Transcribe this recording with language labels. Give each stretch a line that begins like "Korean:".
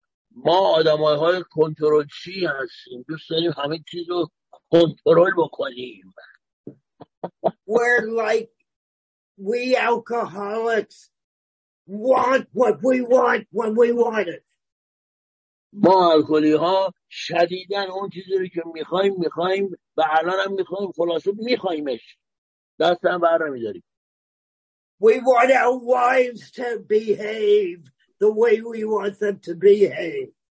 Persian: ما آدمهای کنترل چی هستیم، دوست داریم همه چیز رو کنترل بکنیم.
English: We're like, we alcoholics want what we want when we want it.
Persian: ما الکلی ها شدیدن اون چیزی رو که میخواییم و الان هم میخواییم، خلاصه میخواییمش، دست هم برمیداریم.
English: We want our wives to behave the way we want them to behave.